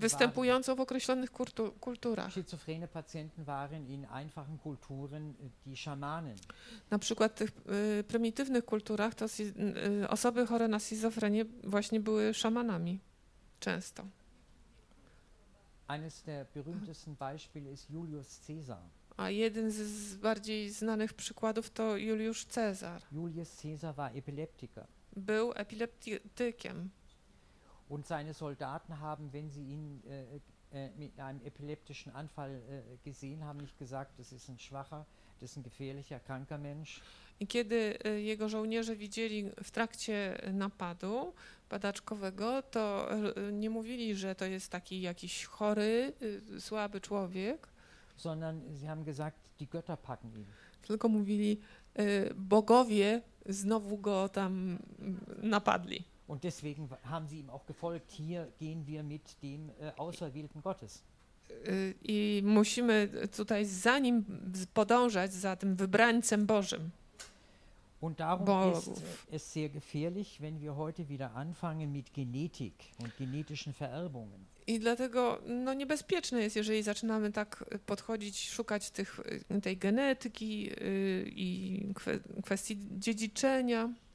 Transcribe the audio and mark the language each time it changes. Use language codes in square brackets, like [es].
[pl] występującą w określonych kulturach. [de] Schizophrene Patienten waren in einfachen Kulturen die Schamanen. [pl] Na przykład w tych prymitywnych kulturach to osoby chore na schizofrenię właśnie były szamanami często. [de] Eines der berühmtesten Beispiele ist Julius Caesar. [pl] A jeden z bardziej znanych przykładów to Juliusz Cezar. [de] Julius Caesar war Epileptiker. [pl] Był epileptykiem. [de] Und seine Soldaten haben, wenn sie ihn mit einem epileptischen Anfall gesehen haben, nicht gesagt, das ist ein Schwacher, das ist ein gefährlicher, kranker Mensch. [pl] I kiedy jego żołnierze widzieli w trakcie napadu padaczkowego, to nie mówili, że to jest taki jakiś chory, słaby człowiek, [de] sondern sie haben gesagt, die Götter packen ihn. [pl] Tylko mówili, bogowie znowu go tam napadli. [de] Und deswegen haben sie ihm auch gefolgt, hier gehen wir mit dem Auserwählten Gottes. [pl] I musimy tutaj za nim podążać, za tym wybrańcem Bożym. [de] Und darum ist es sehr gefährlich, wenn wir heute wieder anfangen mit Genetik und genetischen Vererbungen. [pl] I dlatego niebezpieczne jest, jeżeli zaczynamy tak podchodzić, szukać tej genetyki i kwestii dziedziczenia.